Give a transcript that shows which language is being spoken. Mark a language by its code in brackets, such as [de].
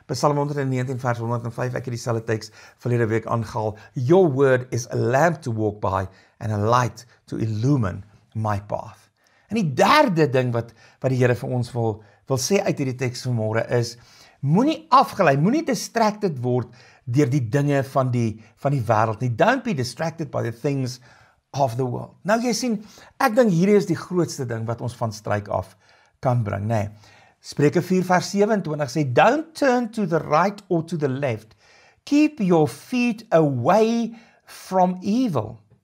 [af] Psalm 119 vers 105, ek het dieselfde teks verlede week aangehaal, [en] Your word is a lamp to walk by and a light to illumine my path. [af] En die derde ding wat die Here vir ons wil sê uit hierdie teks vanmôre is, moenie afgelei, moenie distracted word deur die dinge van die wêreld nie. [en] Don't be distracted by the things of the world. [af] Nou jy sien, ek dink hierdie is die grootste ding wat ons van struik af kan bring, nê. Nee. Spreuke 4 vers 27 sê, [en] Don't turn to the right or to the left. Keep your feet away from evil.